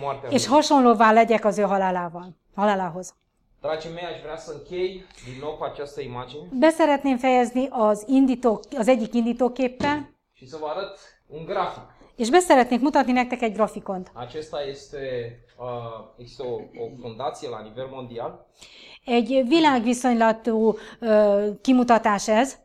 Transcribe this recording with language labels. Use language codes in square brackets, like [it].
[hu] És hasonlóvá legyek az ő halálával, halálához. [ro] Dragii mei, aș vrea să închei din nou cu această imagine. [hu] Beszeretném fejezni az indító, az egyik indítóképpel. [ro] Și să vă arăt un grafic. [hu] És beszeretnék mutatni nektek egy grafikont. [ro] Acesta este o fundație la nivel mondial. [hu] Egy világviszonylatú kimutatás ez.